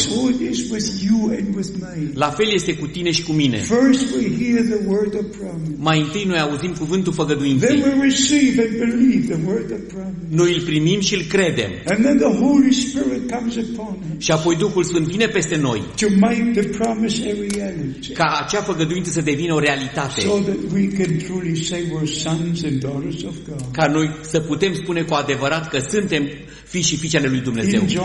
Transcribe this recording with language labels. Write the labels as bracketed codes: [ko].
[en] So it is with you and with me. [ro] La fel este cu tine și cu mine. [en] First we hear the word of promise. [ro] Mai întâi noi auzim cuvântul făgăduinței. [en] Then we receive and believe the word of promise. [ro] Noi îl primim și îl credem. [en] And then the Holy Spirit comes upon us. [ro] Și apoi Duhul Sfânt vine peste noi. [en] To make the promise a reality. [ro] Ca acea făgăduință să devină o realitate. ei. Ca noi să putem spune cu adevărat că suntem fii și fiicele lui Dumnezeu.